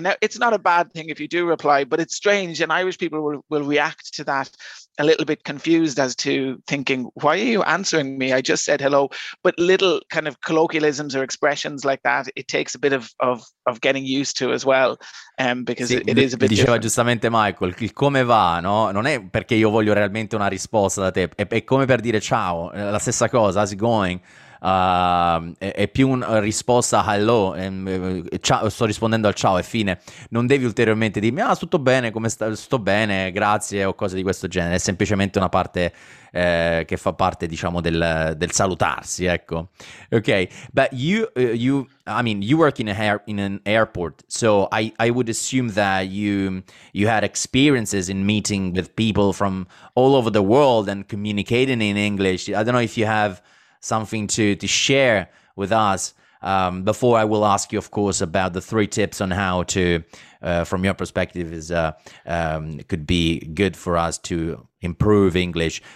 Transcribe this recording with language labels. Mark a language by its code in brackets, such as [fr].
[en] Now, it's not a bad thing if you do reply, but it's strange. And Irish people will react to that a little bit confused, as to thinking, why are you answering me? I just said hello. But little kind of colloquialisms or expressions like that, it takes a bit of getting used to as well, because sì, it is a bit. [it] Diceva giustamente Michael, il come va, no? Non è perché io voglio realmente una risposta da te, è come per dire ciao, la stessa cosa, [en] how's it going? [it] È più una risposta hello, ciao, sto rispondendo al ciao e fine, non devi ulteriormente dirmi ah tutto bene, come sta, sto bene, grazie o cose di questo genere, è semplicemente una parte che fa parte, diciamo, del salutarsi, ecco. [en] Ok, but you work in an airport, so I would assume that you had experiences in meeting with people from all over the world and communicating in English. I don't know if you have something to share with us before I will ask you, of course, about the three tips on how to, from your perspective, could be good for us to improve English.